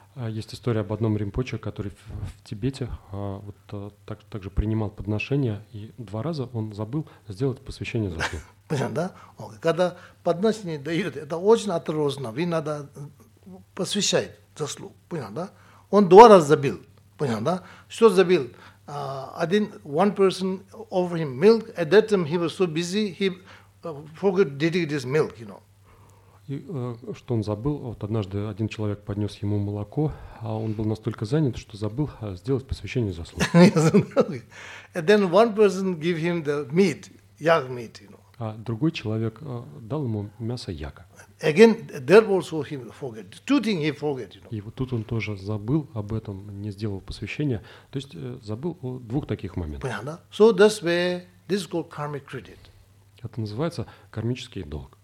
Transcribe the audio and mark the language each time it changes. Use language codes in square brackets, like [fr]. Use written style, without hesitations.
[ru] Есть история об одном Ринпоче, который в Тибете также принимал подношения, и два раза он забыл сделать посвящение заслуг. Понятно, да? Когда подношение дают, это очень отрозно, вы надо посвящать заслуг. Понятно, да? Он два раза забил. Понятно, да? Что забил? Один, [en] one person offered him milk, at that time he was so busy, he forgot to dedicate this milk, you know. [ru] И что он забыл, вот однажды один человек поднес ему молоко, а он был настолько занят, что забыл сделать посвящение заслуг. [en] And then one person gave him the meat, yak meat, you know. [ru] А другой человек дал ему мясо яка. [en] Again, there also he forget. Two things he forget, you know. [ru] И вот тут он тоже забыл об этом, не сделал посвящение. То есть забыл о двух таких моментах. Понятно? [en] So that's where this is called karmic credit. [ru] Это называется кармический долг.